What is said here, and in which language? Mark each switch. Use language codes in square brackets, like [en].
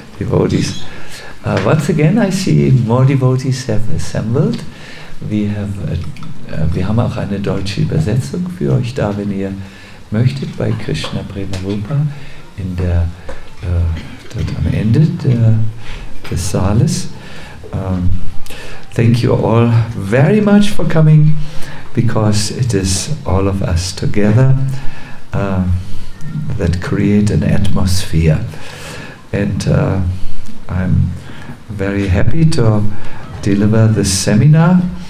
[en] Once again, I see more devotees have assembled. [de] Wir haben auch eine deutsche Übersetzung für euch da, wenn ihr möchtet, bei Krishna Prema Rupa in der dort am Ende des Saales. [en] Thank you all very much for coming, because it is all of us together that create an atmosphere, and I'm very happy to deliver this seminar.